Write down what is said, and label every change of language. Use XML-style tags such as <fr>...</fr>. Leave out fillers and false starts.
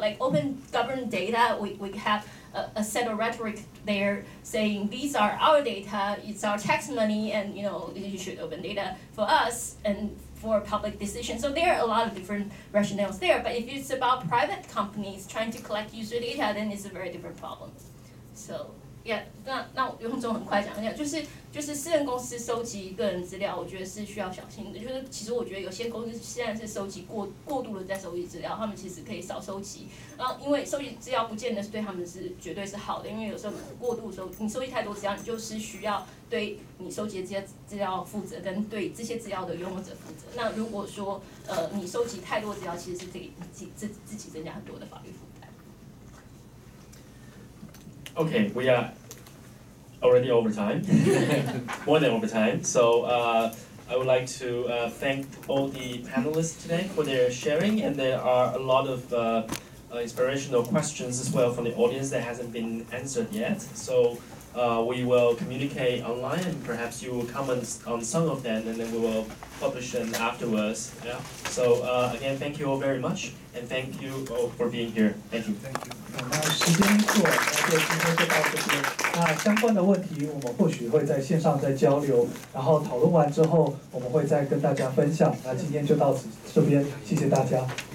<en>Like open governed data, we have a set of rhetoric there saying these are our data, it's our tax money, and you know, you should open data for us and for public decision. So there are a lot of different rationales there, but if it's about private companies trying to collect user data, then it's a very different problem.</en> <zh>So yeah, 那用中文很快讲一下，就是私人公司收集个人资料，我觉得是需要小心的。就是其实我觉得有些公司现在是收集过度的在收集资料，他们其实可以少收集。然后因为收集资料不见得是对他们是绝对是好的，因为有时候过度收你收集太多资料，你就是需要对你收集的这些资料负责，跟对这些资料的拥有者负责。那如果说你收集太多资料，其实是给自己增加很多的法律负担。</zh> <en>Okay, we are already over time, more than over time. So I would like to thank all the panelists today for their sharing, and there are a lot of inspirational questions as well from the audience that hasn't been answered yet. So we will communicate online, and perhaps you will comment on some of them, and then we will publish them afterwards. Yeah. So again, thank you all very much. and thank you all for being here. Thank you. Thank you.</en> <zh>那时间过，那就今天就到这边。那相关的问题，我们或许会在线上再交流，然后讨论完之后，我们会再跟大家分享。那今天就到此这边，谢谢大家。</zh>